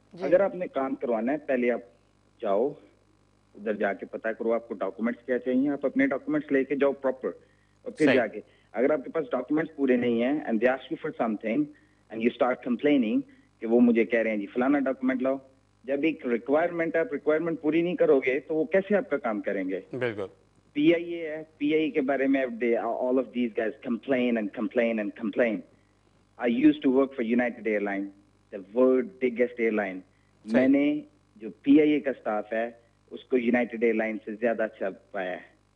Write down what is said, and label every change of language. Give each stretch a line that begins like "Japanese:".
Hindi: अगर आपने काम करवाना है पहले आप जाओ उधर जाके पता करो आपको डॉक्यूमेंट्स क्या चाहिए, आप अपने डॉक्यूमेंट्स लेके जाओ प्रॉपर और फिर जाके, अगर आपके पास डॉक्यूमेंट्स पूरे नहीं है
English: and they ask you for something and you start complaining
Hindi: कि वो मुझे कह रहे हैं जी फलाना डॉक्यूमेंट लाओ, जब एक रिक्वायरमेंट है, आप रिक्वायरमेंट पूरी नहीं करोगे तो वो कैसे आपका काम करेंगे। बिल्कुल, PIA है, PIA के बारे में
English: All of these guys complain and complain and complain. I used to work for United Airlines, the world's biggest airline.
Hindi: मैंने जो PIA का स्टाफ है, उसको United Airlines से ज़्यादा अच्छा पाया है।